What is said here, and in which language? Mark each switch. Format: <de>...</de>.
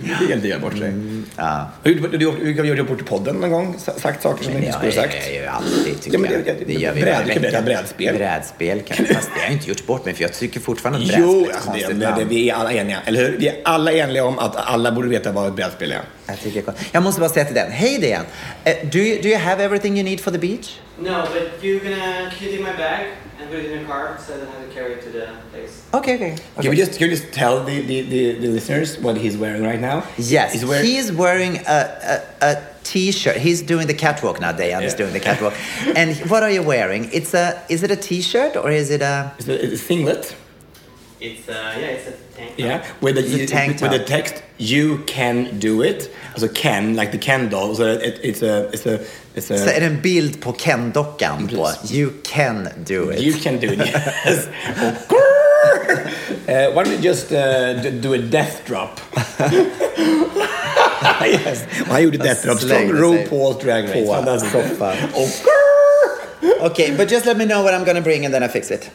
<sv>Det är inte att göra bort sig. Du kan göra bort i podden någon gång. Sagt saker som du inte skulle sagt. Brädspel kanske. Fast det har inte gjort bort mig, för jag tycker fortfarande att brädspel är konstigt. Jo, vi är alla eniga. Eller hur? Vi är alla eniga om att alla borde veta vad ett brädspel är. Jag måste bara säga till den: hej</sv> <en>Dan, do you have everything you need for the beach? No, but you're gonna kitty my bag and put it in your car, so I don't have to carry it to the place. Okay. Can we just tell the listeners what he's wearing right now? Yes, he's wearing a t-shirt. He's doing the catwalk now. Dan is doing the catwalk. And what are you wearing? Is it a t-shirt or is it a? It's a singlet. It's a tank top. With the text "You can do it," also Ken, like the Ken doll. So it's a.</en> <sv>Så är det en bild på Ken dockan på</sv> <en>"You can do it." You can do it. Yes. Why don't we just do a death drop? Yes. Why you do death drop? Strong RuPaul's Drag Race. That's so fun. Okay, but just let me know what I'm gonna bring and then I fix it.</en>